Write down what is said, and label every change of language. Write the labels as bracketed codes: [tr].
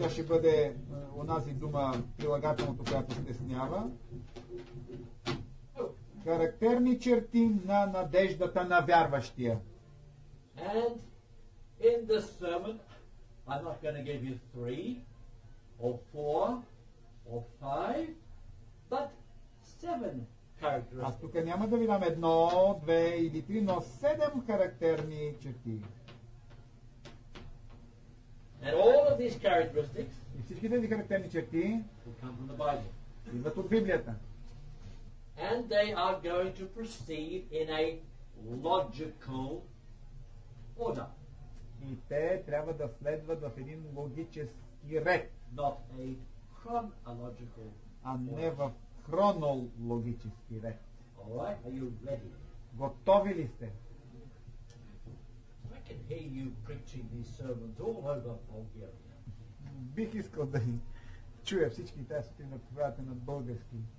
[bg] тя ще бъде онази дума прилагателното, която стеснява характерни черти на надеждата на вярващия. [en] And in this sermon I'm not going to give you three, or four, or five, but seven characteristics. [bg] Аз тук няма да ви дам едно, две или три, но седем характерни черти. [en] And all of these characteristics [bg] и всички тези характерни черти [en] will come from the Bible. [bg] Идват от Библията. [en] And they are going to proceed in a logical order. [bg] И те трябва да следват в един логически ред. [en] Not a chronological [bg] а не в хронологически ред. [en] All right, are you ready? [bg] Готови ли сте? [en] I can hear you preaching these sermons all over Bulgaria. [bg] Бих искал да чуя всички тези сутрин на проповядите на български.